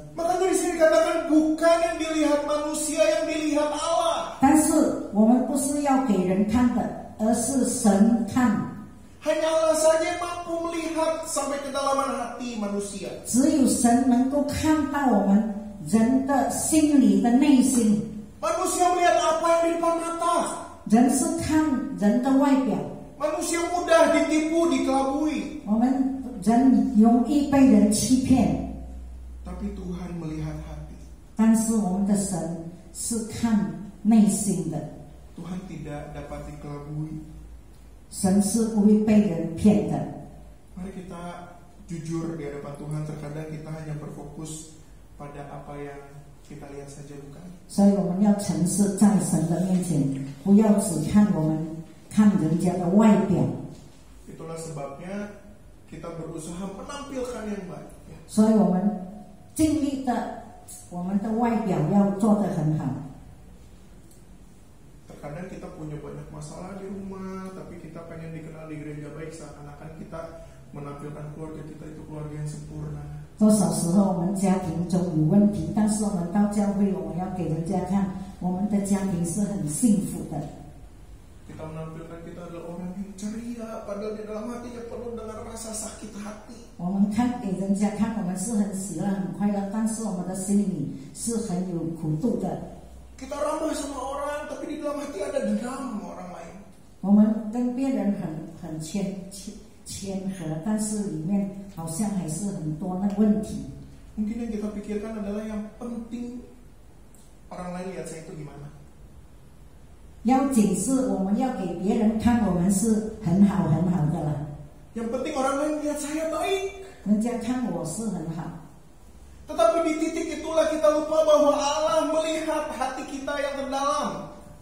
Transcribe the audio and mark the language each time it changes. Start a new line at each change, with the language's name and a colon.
Indonesian: Maka dari sini dikatakan bukan yang dilihat manusia yang dilihat Allah.
Chinese: 但是我们不是要给人看的，而是神看。
Indonesian: Hanya Allah saja mampu melihat sampai kedalaman hati manusia.
Chinese: 只有神能够看到我们人的心里的内心。
Indonesian: Manusia melihat apa yang di depan mata.
Chinese: 人是看人的外表。
Indonesian: Manusia mudah ditipu, dikelabui.
Chinese: 我们 人容易被人欺骗,
Indonesian: tapi Tuhan melihat hati.
Chinese: 但是我们的神是看内心的。
Indonesian: Tuhan tidak dapat dikelabui.
Chinese: 神是不会被人骗的。
Indonesian: Mari kita jujur di hadapan Tuhan, terkadang kita hanya berfokus pada apa yang kita lihat saja, bukan?
Chinese: 所以我们要诚实在神的面前, 不要只看我们看人家的外表。
Indonesian: Itulah sebabnya kita berusaha menampilkan yang baik.
Chinese: So,我们尽力的，我们的外表要做得很好。
Indonesian: Terkadang kita punya banyak masalah di rumah, tapi kita pengen dikenal di gereja baik, seakan-akan kita menampilkan keluarga kita itu keluarga yang sempurna.
Chinese: 多少时候我们家庭中有问题，但是我们到教会，我们要给人家看。我们的家庭是很幸福的。
Indonesian: Kita menampilkan kita adalah orang yang ceria, padahal di dalam hatinya penuh dengan rasa sakit hati.
Chinese: 我们看给人家看我们是很喜乐很快乐，但是我们的心里是很有苦度的。
Indonesian: Kita ramah sama orang, tapi di dalam hati ada dendam orang lain.
Chinese: 我们跟别人很谦和，但是里面好像还是很多那问题。
Indonesian: Mungkin yang kita pikirkan adalah yang penting orang lain lihat saya itu gimana.
Chinese: 要紧是我们要给别人看我们是很好很好的了。
Indonesian: Yang penting orang lain lihat saya baik.
Chinese: 人家看我是很好。
Indonesian: Tetapi di titik itulah kita lupa bahwa Allah melihat hati kita yang terdalam.